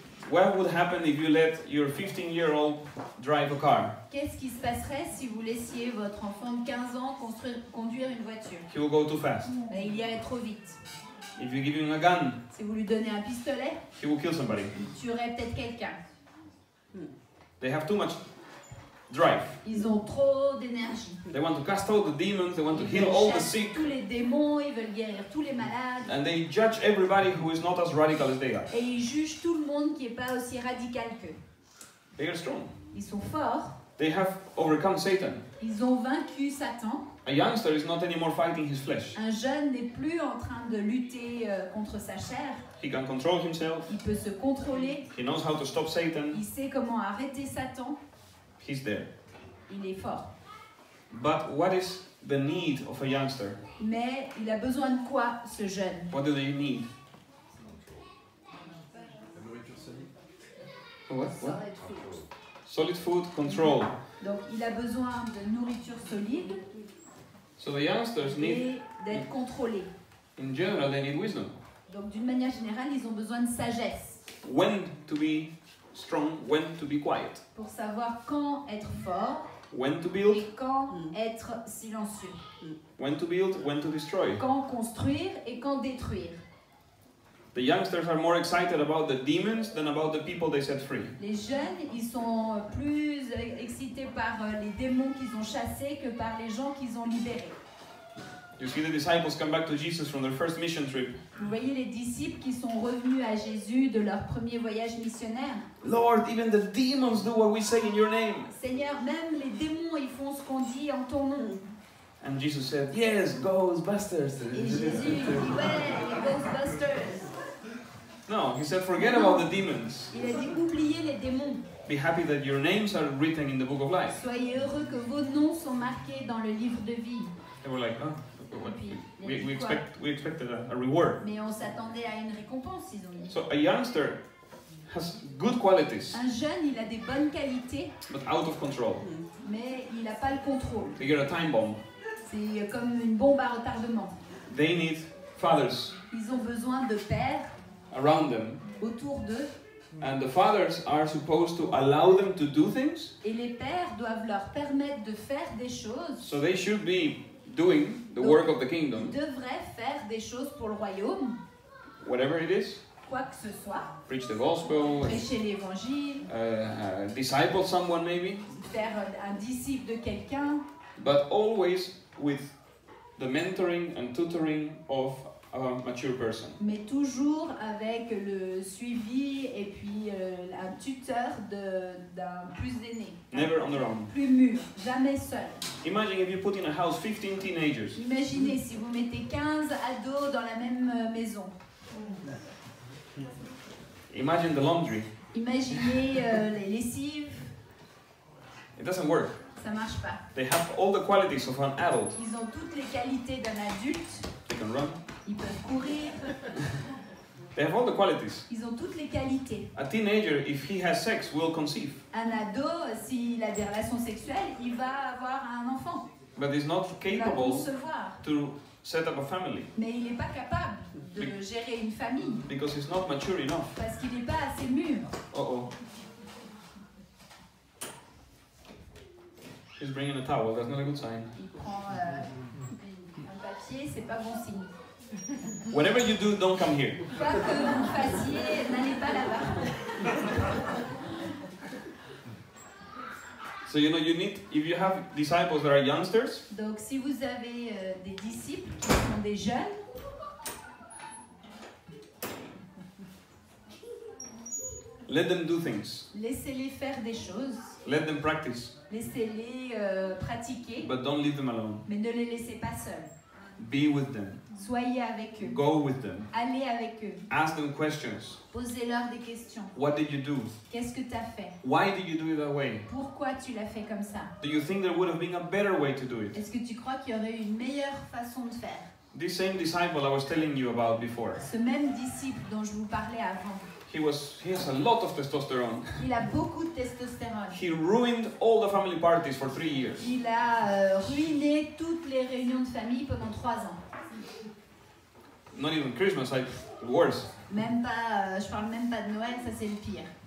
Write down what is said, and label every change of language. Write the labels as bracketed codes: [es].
[en] What would happen if you let your 15-year-old drive a car? [fr] Qu'est-ce qui se passerait si vous laissiez votre enfant de 15 ans conduire une voiture? [en] He will go too fast. [fr] Mais il irait trop vite. [en] If you give him a gun, [fr] si vous lui donnez un pistolet, [en] he will kill somebody. [fr] Il tuerait peut-être quelqu'un. [en] They have too much drive. [fr] Ils ont trop d'énergie. [en] They want to cast out the demons. They want [fr] ils [en] to heal all the sick. [fr] Tous les démons, ils veulent guérir tous les malades. [en] And they judge everybody who is not as radical as they are. [fr] Et ils jugent tout le monde qui est pas aussi radical qu'eux. [en] They are strong. [fr] Ils sont forts. [en] They have overcome Satan. [fr] Ils ont vaincu Satan. [en] A youngster is not anymore fighting his flesh. [fr] Un jeune n'est plus en train de lutter contre sa chair. [en] He can control himself. [fr] Il peut se contrôler. [en] He knows how to stop Satan. [fr] Il sait comment arrêter Satan. [en] He's there. [fr] Il est fort. [en] But what is the need of a youngster? [fr] Mais il a besoin de quoi, ce jeune? [en] What do they need? [fr] La nourriture solide. [en] What? Solid food control. [fr] Donc il a besoin de nourriture solide. [en] So the youngsters need [fr] d'être contrôlé. [en] In general, they need wisdom. [fr] Donc d'une manière générale, ils ont besoin de sagesse. [en] When to be strong, when to be quiet. [fr] Pour savoir quand être fort. [en] When to build. [fr] Et quand être silencieux. [en] When to build, when to destroy. [fr] Quand construire et quand détruire. [en] The youngsters are more excited about the demons than about the people they set free. [fr] Les jeunes, ils sont plus excités par les démons qu'ils ont chassés que par les gens qu'ils ont libérés. [en] You see the disciples come back to Jesus from their first mission trip. [fr] Vous voyez les disciples qui sont revenus à Jésus de leur premier voyage missionnaire. [en] Lord, even the demons do what we say in your name. [fr] Seigneur, même les démons ils font ce qu'on dit en ton nom. [en] And Jesus said, "Yes, Ghostbusters." [fr] Et Jésus dit, ouais, Ghostbusters. [en] No, he said, "Forget about the demons." [fr] Il a dit, oubliez les démons. [en] Be happy that your names are written in the book of life. [fr] Soyez heureux que vos noms sont marqués dans le livre de vie. [en] They were like, we expected a reward. [fr] Mais on s'attendait à une récompense, ils ont dit. [en] So a youngster has good qualities. [fr] Un jeune, il a des bonnes qualités. [en] But out of control. [fr] Mais il a pas le contrôle. [en] They get a time bomb. [fr] C'est comme une bombe à retardement. [en] They need fathers. [fr] Ils ont besoin de pères. [en] Around them. [fr] Autour d'eux. [en] And the fathers are supposed to allow them to do things. [fr] Et les pères doivent leur permettre de faire des choses. [en] So they should be doing the [fr] donc, [en] work of the kingdom. [fr] Ils devraient faire des choses pour le royaume. [en] Whatever it is. [fr] Quoi que ce soit. [en] Preach the gospel. [fr] Prêcher l'évangile. [en] Disciple someone maybe. [fr] Faire un disciple de quelqu'un. [en] But always with the mentoring and tutoring of a mature person. [fr] Mais toujours avec le suivi et puis un tuteur d'un plus aîné. [en] Never on their own. [fr] Plus mûr, jamais seul. [en] Imagine if you put in a house 15 teenagers. [fr] Imaginez si vous mettez 15 ados dans la même maison. [en] Imagine the laundry. [fr] Imaginez les lessives. [en] It doesn't work. [fr] Ça marche pas. [en] They have all the qualities of an adult. [fr] Ils ont toutes les qualités d'un adulte. [en] They can run. [fr] Ils peuvent courir. [en] They have all the qualities. [fr] Ils ont toutes les qualités. [en] A teenager, if he has sex, will conceive. [fr] Un ado, s'il a des relations sexuelles, il va avoir un enfant. [en] But he's not capable to set up a family. [fr] Mais il n'est pas capable de gérer une famille. [en] Because he's not mature enough. [fr] Parce qu'il n'est pas assez mûr. Oh. [en] He's bringing a towel. That's not a good sign. [fr] Il prend un papier. C'est pas bon signe. [en] Whatever you do, don't come here. [fr] Quoi que vous fassiez, n'allez pas là-bas. [en] So you know you need if you have disciples that are youngsters. [fr] Donc si vous avez des disciples qui sont des jeunes. [en] Let them do things. [fr] Laissez-les faire des choses. [en] Let them practice. [fr] Laissez-les pratiquer. [en] But don't leave them alone. [fr] Mais ne les laissez pas seuls. [en] Be with them. [fr] Soyez avec eux. [en] Go with them. [fr] Allez avec eux. [en] Ask them questions. [fr] Posez-leur des questions. [en] What did you do? [fr] Qu'est-ce que tu as fait? [en] Why did you do it that way? [fr] Pourquoi tu l'as fait comme ça? [en] Do you think there would have been a better way to do it? [fr] Est-ce que tu crois qu'il y aurait une meilleure façon de faire? [en] This same disciple I was telling you about before. [fr] Ce même disciple dont je vous parlais avant. [en] He has a lot of testosterone. [fr] Il a beaucoup de testostérone. [en] He ruined all the family parties for 3 years. [fr] Il a ruiné toutes les réunions de famille pendant 3 ans. [en] Not even Christmas, worse. [fr] Même pas, je parle même pas de Noël, ça c'est le pire.